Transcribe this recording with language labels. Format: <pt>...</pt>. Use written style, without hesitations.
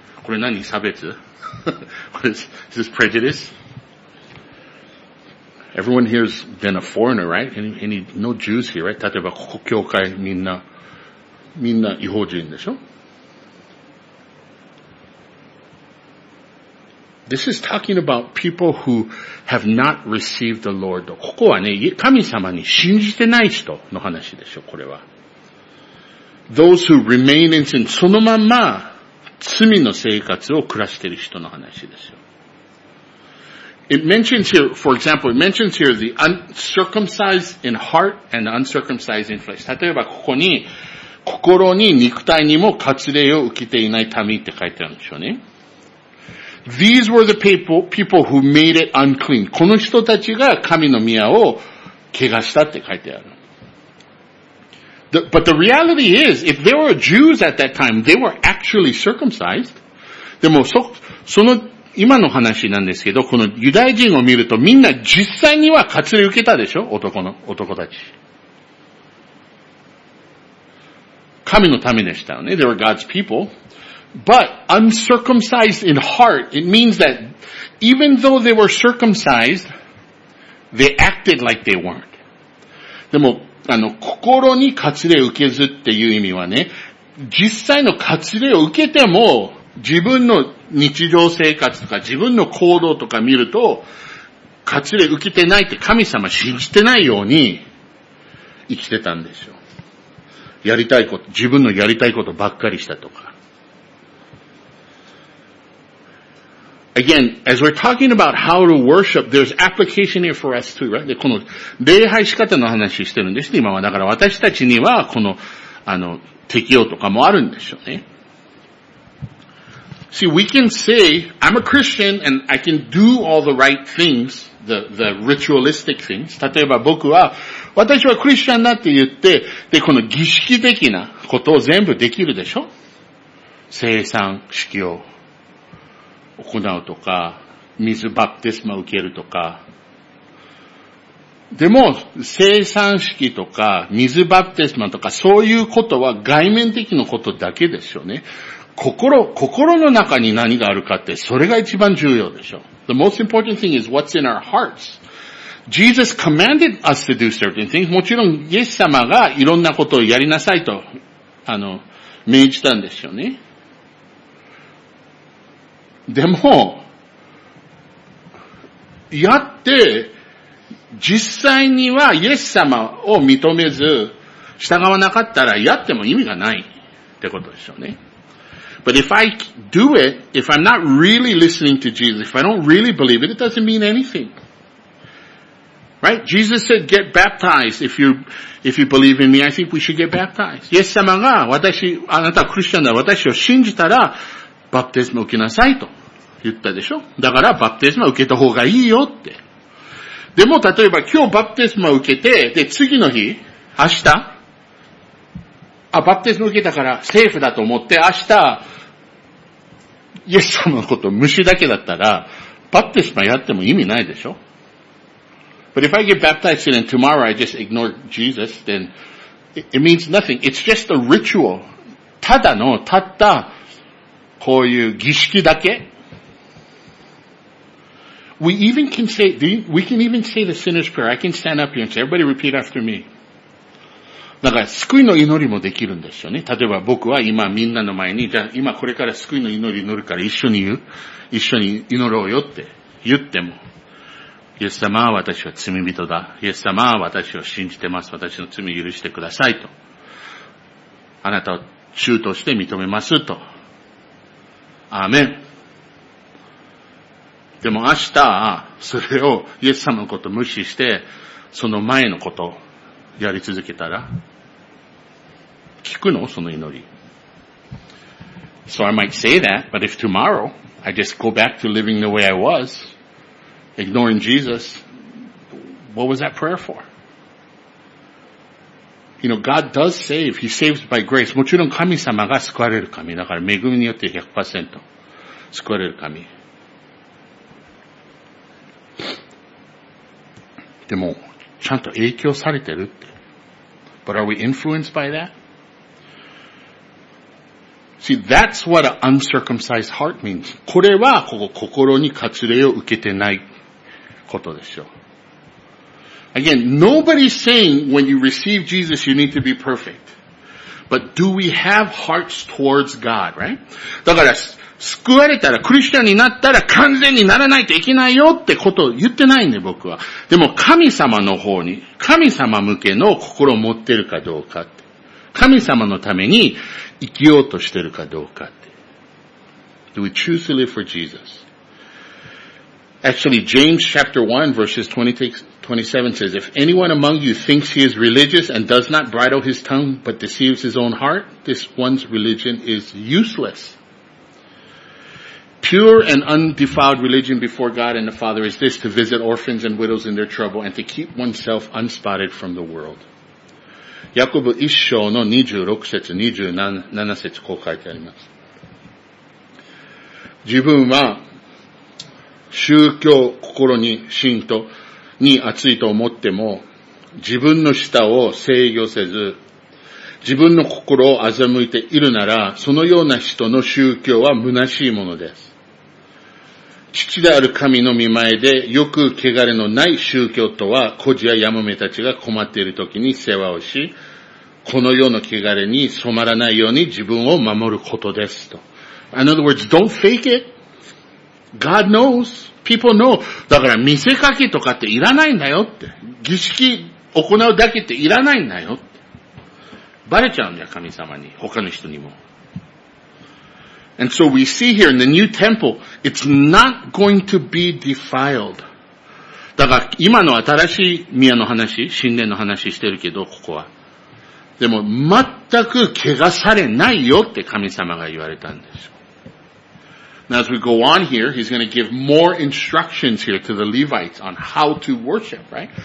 <ja>これ何差別</ja> <en>Is this prejudice? Everyone here has been a foreigner, right? Any, no Jews here, right?</en> <ja>例えば、ここ教会みんな異邦人でしょ?</ja> <en>This is talking about people who have not received the Lord.</en> <ja>ここはね、神様に信じてない人の話でしょ、これは。</ja> <en>Those who remain in sin,</en> <ja>そのまんま、罪の生活を暮らしている人の話ですよ。</ja> <en>It mentions here, for example, it mentions here the uncircumcised in heart and the uncircumcised in flesh.</en> <ja>例えばここに、心に肉体にも割礼を受けていない民って書いてあるんでしょうね。</ja> <en>These were the people who made it unclean.</en> <ja>この人たちが神の宮を汚したって書いてある。</ja> <en>But the reality is, if there were Jews at that time, they were actually circumcised.</en> <ja>でも、その、今の話なんですけど、このユダヤ人を見ると、みんな実際には割礼受けたでしょ？男たち。神の民でしたよね。</ja> <en>They were God's people. But uncircumcised in heart, it means that even though they were circumcised, they acted like they weren't.</en> <ja>でも、心に割礼を受けずっていう意味はね、実際の割礼を受けても、自分の日常生活とか自分の行動とか見ると、割礼受けてないって神様信じてないように生きてたんですよ。やりたいこと、自分のやりたいことばっかりしたとか。</ja> <en>Again, as we're talking about how to worship, there's application here for us too, right?</en> <ja>で、この、礼拝仕方の話してるんです、ね、今は。だから私たちには、この、適用とかもあるんでしょうね。</ja> <en>See, we can say, I'm a Christian and I can do all the right things, the ritualistic things.</en> <ja>例えば僕は、私はクリスチャンだって言って、で、この儀式的なことを全部できるでしょ？聖餐式を。行うとか、水バプテスマを受けるとか。でも、聖餐式とか、水バプテスマとか、そういうことは外面的のことだけですよね。心の中に何があるかって、それが一番重要でしょ。</ja> <en>The most important thing is what's in our hearts. Jesus commanded us to do certain things.</en> <ja>もちろん、イエス様がいろんなことをやりなさいと、命じたんですよね。でも、やって、実際にはイエス様を認めず、従わなかったらやっても意味がないってことでしょうね。</ja> <en>But if I do it, if I'm not really listening to Jesus, if I don't really believe it, it doesn't mean anything. Right? Jesus said, get baptized if you believe in me. I think we should get baptized.</en> <ja>イエス様が私、あなたはクリスチャンだ、私を信じたら、バプテスマを受けなさいと言ったでしょ。だから、バプテスマを受けた方がいいよって。でも、例えば、今日バプテスマを受けて、で、次の日、明日、バプテスマを受けたから、セーフだと思って、明日、イエス様のこと、虫だけだったら、バプテスマやっても意味ないでしょ。</ja> <en>But if I get baptized and tomorrow I just ignore Jesus, then it means nothing. It's just a ritual.</en> <ja>ただの、たった、こういう儀式だけ。</ja> <en>We can even say the sinner's prayer. I can stand up here and say, everybody repeat after me.</en> <ja>だから救いの祈りもできるんですよね。例えば僕は今みんなの前に、じゃあ今これから救いの祈り祈るから一緒に言う。一緒に祈ろうよって言っても。イエス様は私は罪人だ。イエス様は私を信じてます。私の罪許してくださいと。あなたを主として認めますと。アーメン。でも明日、それをイエス様のこと無視して、その前のことをやり続けたら、聞くの? その祈り。</ja> <en>So I might say that, but if tomorrow I just go back to living the way I was, ignoring Jesus, what was that prayer for? You know, God does save. He saves by grace.</en> <ja>もちろん神様が救われる神。だから恵みによって 100% 救われる神。でも、ちゃんと影響されてるって。</ja> <en>But are we influenced by that? See, that's what an uncircumcised heart means.</en> <ja>これは、ここ、心に割礼を受けてないことですよ。</ja> <en>Again, nobody's saying when you receive Jesus, you need to be perfect. But do we have hearts towards God, right?</en> <ja>だから、救われたら、クリスチャンになったら完全にならないといけないよってことを言ってないね、僕は。でも、神様の方に、神様向けの心を持ってるかどうかって。神様のために生きようとしてるかどうかって。</ja> <en>Do we choose to live for Jesus? Actually, James chapter 1 verses 26-27 says, If anyone among you thinks he is religious and does not bridle his tongue but deceives his own heart, this one's religion is useless. Pure and undefiled religion before God and the Father is this, to visit orphans and widows in their trouble and to keep oneself unspotted from the world.</en> <ja>ヤコブ1章の26節、27節こう書いてあります。自分は宗教心に信徒に熱いと思っても自分の舌を制御せず自分の心を欺いているならそのような人の宗教は虚しいものです。父である神の御前でよく汚れのない宗教とは、孤児やヤモメたちが困っている時に世話をし、この世の汚れに染まらないように自分を守ることですと。</ja> <en>In other words, don't fake it. God knows. People know.</en> <ja>だから見せかけとかっていらないんだよって。儀式行うだけっていらないんだよって。バレちゃうんだよ、神様に。他の人にも。 And so we see here in the new temple, it's not going to be defiled. だから今の新しい宮の話、神殿の話してるけど、ここは。でも全く汚されないよって神様が言われたんです。</ja> <en>Now as we go on here, he's going to give more instructions here to the Levites on how to worship, right?</en>